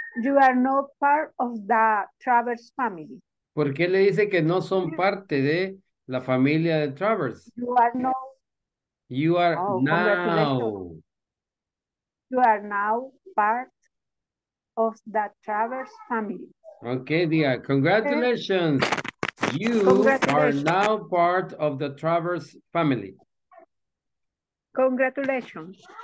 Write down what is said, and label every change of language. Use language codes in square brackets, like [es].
[en] You are not part of the Travers family. [es] ¿Por qué le dice que no son parte de la familia de Travers? [en] You are not. You are now. You are now part of the Travers family. Okay, Dia. Congratulations. Okay. You congratulations. Are now part of the Travers family. Congratulations.